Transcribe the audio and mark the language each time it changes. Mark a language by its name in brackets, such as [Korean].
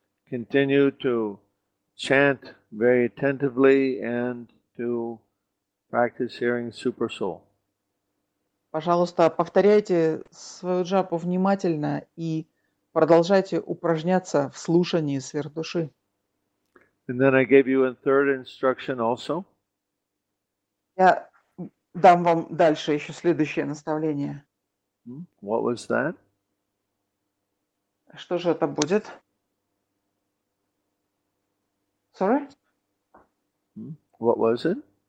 [English] Continue to chant very attentively and to practice hearing super soul. [Russian] Пожалуйста, повторяйте свою джапу внимательно и продолжайте упражняться в слушании сверхдуши. [English] And then I gave you a third instruction also. [Russian] Я дам вам дальше еще следующее наставление. [English] What was that? [Russian] Что же это будет? [English] Sorry? What was it?